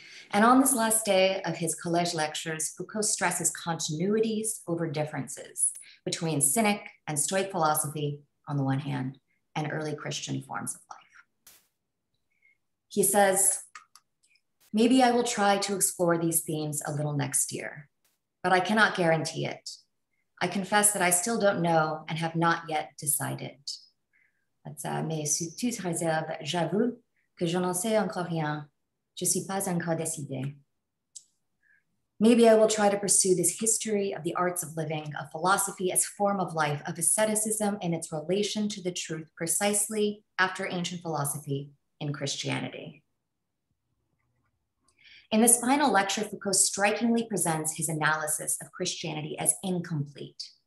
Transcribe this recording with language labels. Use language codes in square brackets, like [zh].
[en] And on this last day of his college lectures, Foucault stresses continuities over differences between Cynic and Stoic philosophy on the one hand, and early Christian forms of life. He says, "Maybe I will try to explore these themes a little next year, but I cannot guarantee it. I confess that I still don't know and have not yet decided. [fr] That's mais sous toute réserve, j'avoue que je n'en sais encore rien. Je suis pas encore décidé. [en] Maybe I will try to pursue this history of the arts of living, of philosophy as form of life, of asceticism and its relation to the truth precisely after ancient philosophy in Christianity." In this final lecture, Foucault strikingly presents his analysis of Christianity as incomplete.